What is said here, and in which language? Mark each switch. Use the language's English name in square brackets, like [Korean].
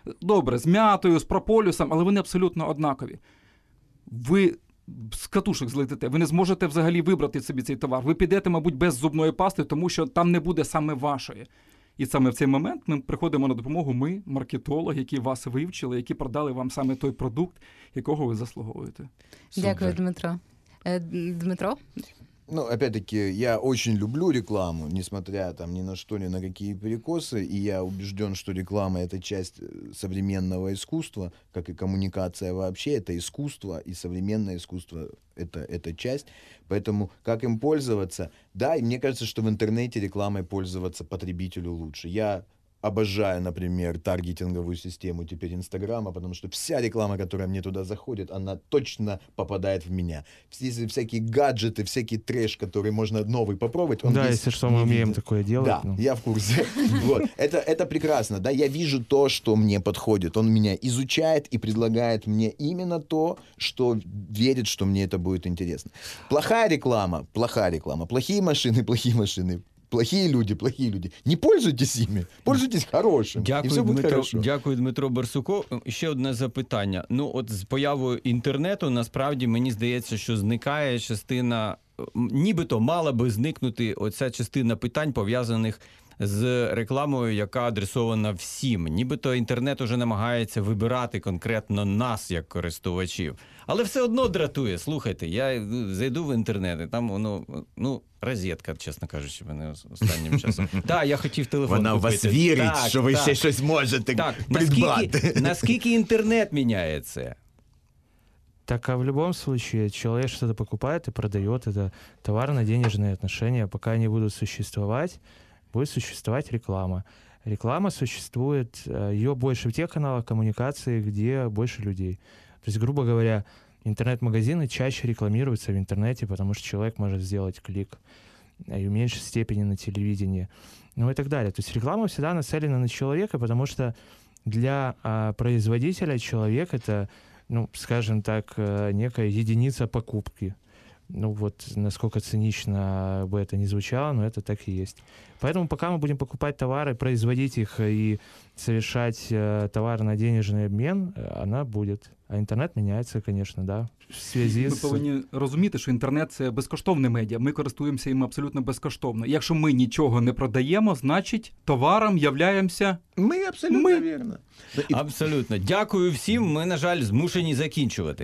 [Ukrainian] Добре, з м'ятою, з прополісом, але вони абсолютно однакові. Ви з катушок злетите, ви не зможете взагалі вибрати собі цей товар. Ви підете, мабуть, без зубної пасти, тому що там не буде саме вашої. І саме в цей момент ми приходимо на допомогу ми, маркетологи, які вас вивчили, які продали вам саме той продукт, якого ви заслуговуєте. Дякую, Дмитро. Дмитро? [Russian] Ну, опять-таки, я очень люблю рекламу, несмотря там ни на что, ни на какие перекосы, и я убежден, что реклама — это часть современного искусства, как и коммуникация вообще, это искусство, и современное искусство — это часть. Поэтому как им пользоваться? Да, и мне кажется, что в интернете рекламой пользоваться потребителю лучше. Я обожаю, например, таргетинговую систему теперь Инстаграма, потому что вся реклама, которая мне туда заходит, она точно попадает в меня. Если всякие гаджеты, всякий трэш, который можно новый попробовать, он да, если что, мы умеем такое делать. Да, я в курсе. Вот. Это прекрасно, да, я вижу то, что мне подходит. Он меня изучает и предлагает мне именно то, что верит, что мне это будет интересно. Плохая реклама. Плохие машины. Плохі люди. Не пользуйтесь ними, пользуйтесь хорошим. [Ukrainian] Дякую, Дмитро Барсуко. Ще одне запитання. Ну, от з появою інтернету, насправді, мені здається, що зникає частина, нібито мала би зникнути оця частина питань, пов'язаних з рекламою, яка адресована всім. Нібито інтернет уже намагається вибирати конкретно нас, як користувачів. Але все одно дратує. Слухайте, я зайду в інтернет, і там воно, ну, розетка, чесно кажучи, мене останнім часом. Так, я хотів телефон купити. Вона в вас вірить, що ви ще щось можете придбати. Наскільки інтернет міняється? [Russian] Так, а в любом случае, человек что-то покупает и продает, это товарно-денежные отношения, пока они будут существовать, будет существовать реклама. Реклама существует, ее больше в тех каналах коммуникации, где больше людей. То есть, грубо говоря, интернет-магазины чаще рекламируются в интернете, потому что человек может сделать клик, и в меньшей степени на телевидении, ну и так далее. То есть реклама всегда нацелена на человека, потому что для производителя человек — это, ну, скажем так, некая единица покупки. Ну вот, насколько цинично бы это ни звучало, но это так и есть. Поэтому пока мы будем покупать товары, производить их и совершать товары на денежный обмен, она будет. [Ukrainian] А інтернет міняється, звісно, да, в зв'язку з... Ми повинні розуміти, що інтернет – це безкоштовне медіа. Ми користуємося їм абсолютно безкоштовно. Якщо ми нічого не продаємо, значить товаром являємося... Ми абсолютно ми... вірно. Абсолютно. Дякую всім. Ми, на жаль, змушені закінчувати.